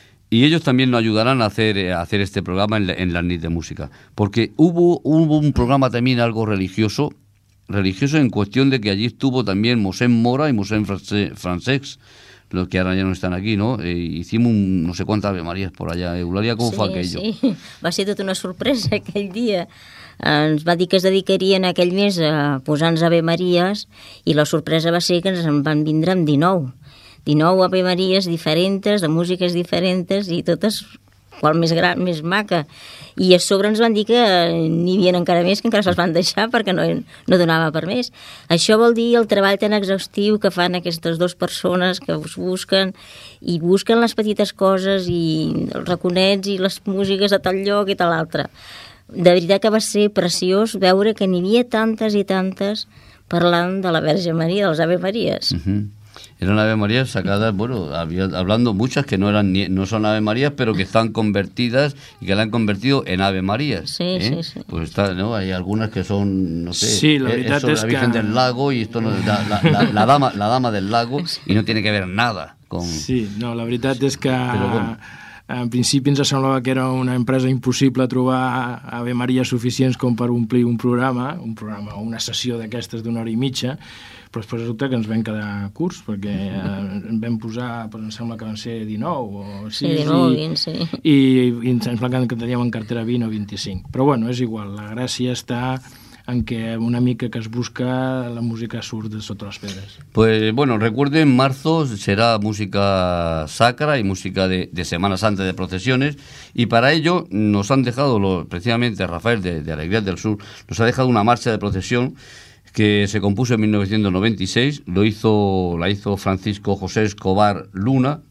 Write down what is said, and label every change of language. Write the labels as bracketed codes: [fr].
[es] Y ellos también nos ayudarán a hacer este programa en la NIT de Música. Porque hubo un programa también algo religioso en cuestión de que allí estuvo también Mosén Mora y Mosén Francesc, los que ahora ya no están aquí, ¿no? Hicimos no sé cuántas Ave Marías por allá. Eulalia, ¿cómo fue aquello? [ca] Sí, va ser tota una sorpresa aquell dia. Ens va dir que es dedicarien aquell mes a posar-nos Ave Marías i la sorpresa va ser que ens en van vindre amb 19. 19 Ave Marías diferents, de músiques diferents i totes... qual més gran, més maca. I a sobre ens van dir que n'hi havia encara més, que encara se'ls van deixar perquè no donava per més. Això vol dir el treball tan exhaustiu que fan aquestes dues persones que us busquen i busquen les petites coses i els raconets i les músiques de tal lloc i tal altre. De veritat que va ser preciós veure que n'hi havia tantes i tantes parlant de la Verge Maria, dels Ave Maries. Mhm. [es] Eran Ave Marías sacadas, bueno, había hablando muchas que no son Ave Marías, pero que están convertidas y que la han convertido en Ave Marías. Sí, ¿eh? Sí. Pues está, ¿no? Hay algunas que son, no sé, sí, la verdad es la Virgen del Lago y esto no es la dama del lago y no tiene que ver nada con... [ca] Sí, no, la veritat és que en principi ens semblava que era una empresa impossible trobar Ave Marías suficients com per omplir un programa o una sessió d'aquestes d'una hora i mitja. Però després resulta que ens vam quedar curts, perquè vam posar, doncs, em sembla que van ser 19 o 6. Sí, 19 o 20, sí. I ens sembla que teníem en cartera 20 o 25. Però bueno, és igual, la gràcia està en què una mica que es busca, la música surt de sota les pedres. [es] Pues bueno, recuerden, marzo será música sacra y música de Semana Santa, de procesiones, y para ello nos han dejado, precisamente Rafael de Alegrías del Sur, nos ha dejado una marcha de procesión que se compuso en 1996, la hizo Francisco José Escobar Luna.